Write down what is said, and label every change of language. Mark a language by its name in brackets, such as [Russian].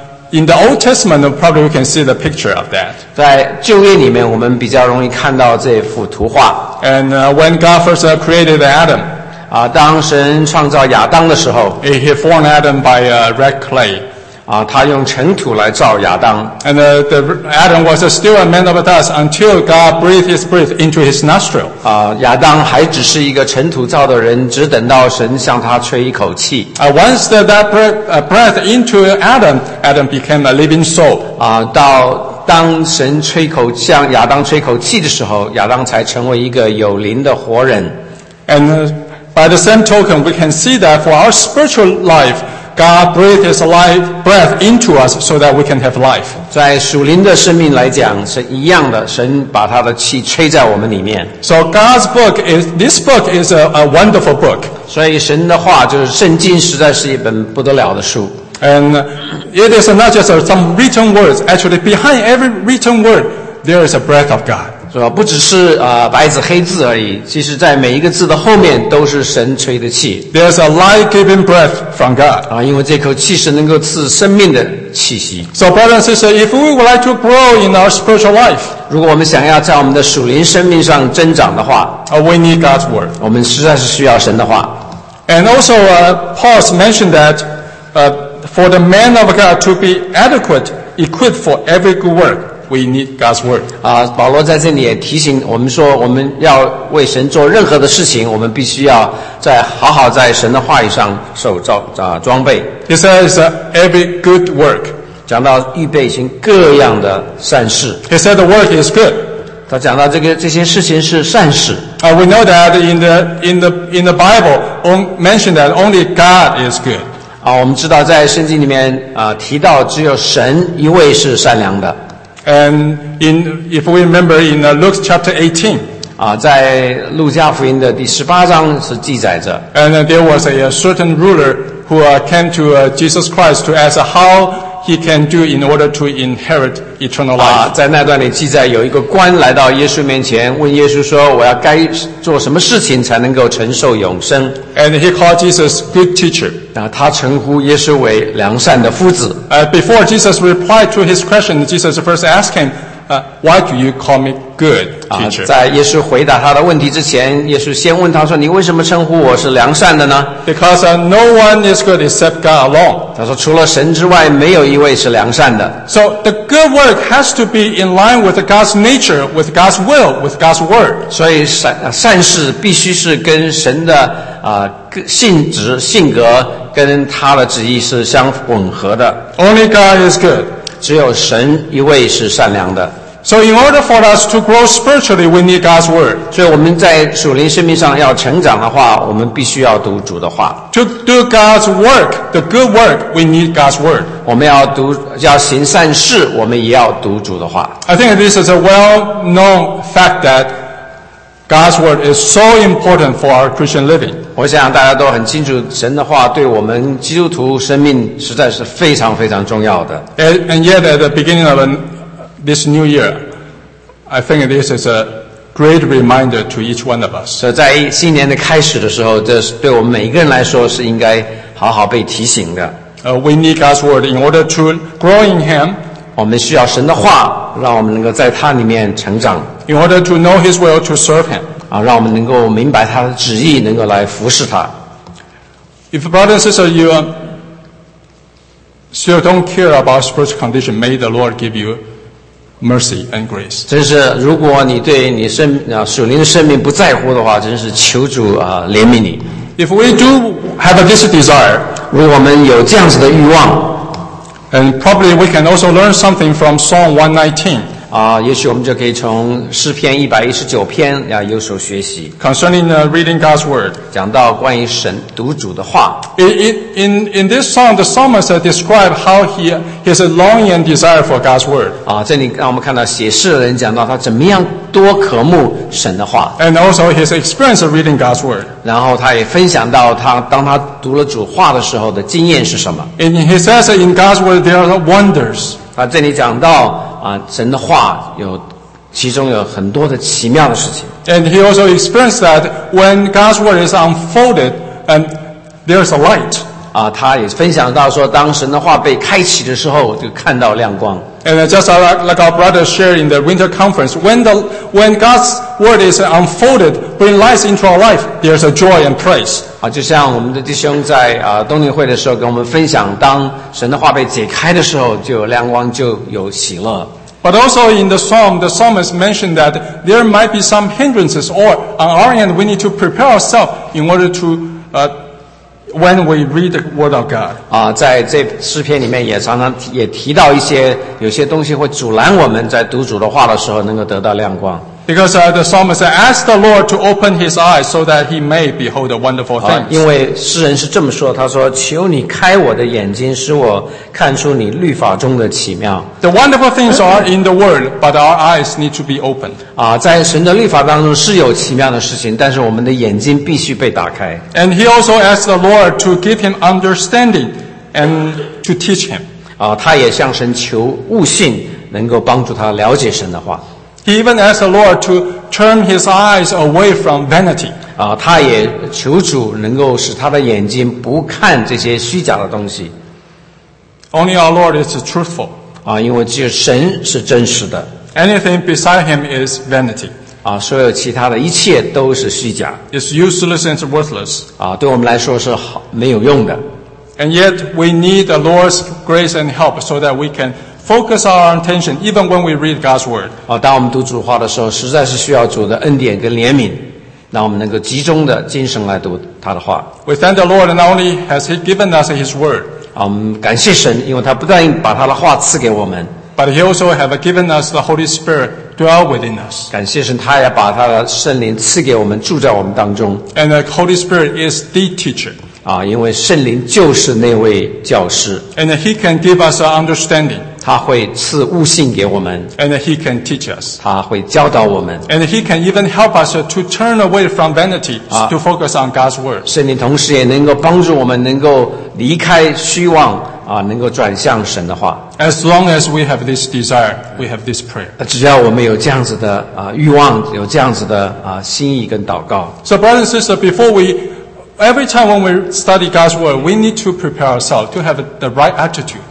[English] In the Old Testament, probably we can see the picture of that. [Chinese] 在旧约里面我们比较容易看到这幅图画。 [English] And when God first created Adam, [Chinese] 当神创造亚当的时候 [English] He formed Adam by red clay. [Chinese] 他用尘土来造亚当。 [English] And Adam was still a man of dust until God breathed his breath into his nostril. [Chinese] 亚当还只是一个尘土造的人，只等到神向他吹一口气。 [English] Once that breath into Adam became a living soul. [Chinese] 到当神吹口向亚当吹口气的时候，亚当才成为一个有灵的活人。 [English] And by the same token, we can see that for our spiritual life,God breathed His life breath into us so that we can have life. [Chinese] 在属灵的生命来讲是一样的，神把他的气吹在我们里面。 [English] So God's book is this book is a wonderful book. [Chinese] 所以神的话就是圣经，实在是一本不得了的书。 [English] And it is not just some written words. Actually, behind every written word, there is a breath of God. [Chinese] 是吧？不只是白纸黑字而已，其实在每一个字的后面都是神吹的气。 [English] There's a life-giving breath from God. [Chinese] 啊，因为这口气是能够赐生命的气息。 [English] So, brothers and sisters, if we would like to grow in our spiritual life, [Chinese] 如果我们想要在我们的属灵生命上增长的话 [English] ，we need God's word. [Chinese] 我们实在是需要神的话。 [English] And also, Paul mentioned that, for the man of God to be adequate, equipped for every good work. We need God's word. [Chinese] 啊，保罗在这里也提醒我们说，我们要为神做任何的事情，我们必须要在好好在神的话语上受装备。 [English] He says every good work. [Chinese] 讲到预备行各样的善事。 [English] He said the work is good. [Chinese] 他讲到这些事情是善事。 [English] We know that in the Bible, mentioned that only God is good. [Chinese] 啊，我们知道在圣经里面提到只有神一位是善良的。 [English] And if we remember in Luke chapter 18, [Chinese] 啊，在路加福音的第十八章是记载着。 [English] And there was a certain ruler who came to Jesus Christ to ask how he can do in order to inherit eternal life. [Chinese] 啊，在那段里记载有一个官来到耶稣面前，问耶稣说：“我要该做什么事情才能够承受永生 [English] ？”And he called Jesus good teacher. [Chinese] 啊，他称呼耶稣为良善的夫子。 [English] Before Jesus replied to his question, Jesus first asked him, why do you call me good teacher?" [Chinese] 在耶稣回答他的问题之前，耶稣先问他说：“你为什么称呼我是良善的呢 [English] ？”Because no one is good except God alone. [Chinese] 他说：“除了神之外，没有一位是良善的。 [English] ”So the good work has to be in line with God's nature, with God's will, with God's word. [Chinese] 所以善事必须是跟神的性质、性格跟他的旨意是相吻合的。 [English] Only God is good. [Chinese] 只有神一位是善良的。 [English] So in order for us to grow spiritually, we need God's word. [Chinese] 所以我们在属灵生命上要成长的话，我们必须要读主的话。 [English] To do God's work, the good work, we need God's word. [Chinese] 我们要行善事，我们也要读主的话。 [English] I think this is a well-known fact that God's word is so important for our Christian living. [Chinese] 我想大家都很清楚，神的话对我们基督徒生命实在是非常非常重要的。 [English] And yet at the beginning of this new year, I think this is a great reminder to each one of us. [Chinese] 在新年的开始的时候，这对我们每一个人来说是应该好好被提醒的。 [English] We need God's word in order to grow in Him. [Chinese] 我们需要神的话，让我们能够在他里面成长。 [English] In order to know His will to serve Him. [Chinese] 啊，让我们能够明白他的旨意，能够来服侍他。 [English] If brother and sister, you still don't care about spiritual condition, may the Lord give you mercy and grace. [Chinese] 真是，如果你对你属灵的生命不在乎的话，真是求主怜悯你。 [English] If we do have this desire, [Chinese] 如果我们有这样子的欲望 [English] ，and probably we can also learn something from Psalm 119. [Chinese] 也许我们就可以从诗篇119篇有所学习。 [English] Concerning reading God's word, [Chinese] 讲到关于神读主的话。 [English] In this psalm, the psalmist described how his longing and desire for God's word. [Chinese] 啊，这里让我们看到写诗的人讲到他怎么样多渴慕神的话。 [English] And also his experience of reading God's word. [Chinese] 然后他也分享到他当他读了主话的时候的经验是什么。 [English] And he says in God's word there are wonders. [Chinese] 啊，这里讲到。神的话有其中有很多的奇妙的事情。 [English] And he also experienced that when God's word is unfolded and there's a light. [Chinese] 他也分享到说当神的话被开启的时候就看到亮光。 [English] And just like our brother shared in the winter conference, when God's word is unfolded, bring light into our life, there's a joy and praise. [Chinese] 就像我们的弟兄在冬令会的时候跟我们分享当神的话被解开的时候就有亮光就有喜乐。 [English] But also in the psalm, the psalmist mentioned that there might be some hindrances or on our end, we need to prepare ourselves in order to, when we read the word of God. [Chinese] 在这诗篇里面也常常也提到一些有些东西会阻拦我们在读主的话的时候能够得到亮光。 [English] Because the psalmist said, ask the Lord to open his eyes so that he may behold the wonderful things. [Chinese] 因为诗人是这么说，他说，求你开我的眼睛，使我看出你律法中的奇妙。 [English] The wonderful things are in the word, but our eyes need to be opened. [Chinese] 在神的律法当中是有奇妙的事情，但是我们的眼睛必须被打开。 [English] And he also asked the Lord to give him understanding and to teach him. [Chinese] 他也向神求悟性，能够帮助他了解神的话。 [English] He even asked the Lord to turn his eyes away from vanity. [Chinese] 啊，他也求主能够使他的眼睛不看这些虚假的东西。 [English] Only our Lord is truthful. [Chinese] 啊，因为只有神是真实的。 [English] Anything beside him is vanity. [Chinese] 啊，所有其他的一切都是虚假。 [English] It's useless and worthless. [Chinese] 啊，对我们来说是好没有用的。 [English] And yet we need the Lord's grace and help so that we can focus our attention even when we read God's word. [Chinese] 啊，当我们读主话的时候，实在是需要主的恩典跟怜悯。让我们能够集中的精神来读他的话。 [English] We thank the Lord not only has He given us His word. [Chinese] 啊，我们感谢神，因为他不断把他的话赐给我们。 [English] But He also have given us the Holy Spirit dwell within us. [Chinese] 感谢神，他也把他的圣灵赐给我们，住在我们当中。 [English] And the Holy Spirit is the teacher. [Chinese] 啊，因为圣灵就是那位教师。 [English] And He can give us an understanding. [Chinese] 他会赐悟性给我们。 [English] And He can teach us. [Chinese] 他会教导我们。 [English] And He can even help us to turn away from vanity to focus on God's word. [Chinese] 圣灵同时也能够帮助我们能够离开虚妄。啊，能够转向神的话。 [English] As long as we have this desire, we have this prayer. [Chinese] 只要我们有这样子的啊欲望，有这样子的啊心意跟祷告。 [English] So, brothers and sisters, before we, every time when we study God's word, we need to prepare ourselves to have the right attitude.